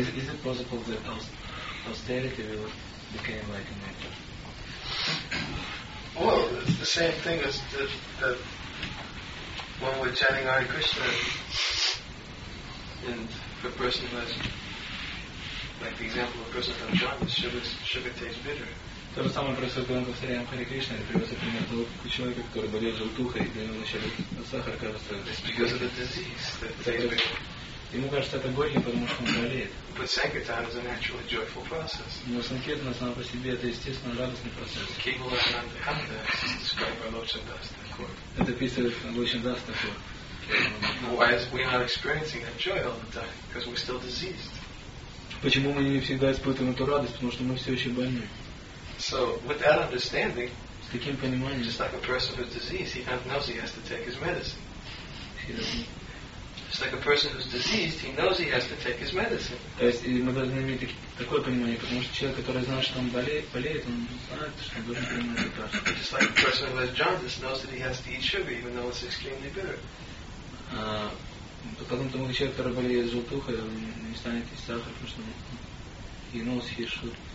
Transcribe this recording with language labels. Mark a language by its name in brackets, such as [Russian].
[English] Is it possible that austerity will become like a nature? Well, it's the same thing as that when we're chanting Hare Krishna, and for a person who has, like the example of a person from jhana, sugar tastes bitter. [Russian] То же самое происходит, когда мы повторяем Харе Кришна, и приводится пример того человека, который болеет желтухой, и для него начали сахар кажется. [English] It's because of the disease that they have. [Russian] Ему кажется, это горько, потому что он болеет. [English] But sankirtan is a naturally joyful process. [Russian] Но санкиртана сама по себе это естественно радостный процесс. [English] Кейвала Ананда described by Lord Chandas Thakur. [Russian] Это описывает Lord Chandas Thakur. [English] Why is we not experiencing that joy all the time? Because we're still diseased. [Russian] Почему мы не всегда испытываем эту радость? Потому что мы все еще больны. [English] So with that understanding, [Russian] с таким пониманием, [English] just like a person with disease, he knows he has to take his medicine. Just like a person who's diseased, he knows he has to take his medicine. [Russian] То есть мы должны иметь такое понимание, потому что человек, который знает, что он болеет, он знает, что должен принимать лекарства. [English] Just like a person who has jaundice knows that he has to eat sugar, even though it's extremely bitter. [Russian] Потом тому человек, который болеет желтухой, он не станет есть сахар, потому что [English] he knows he should.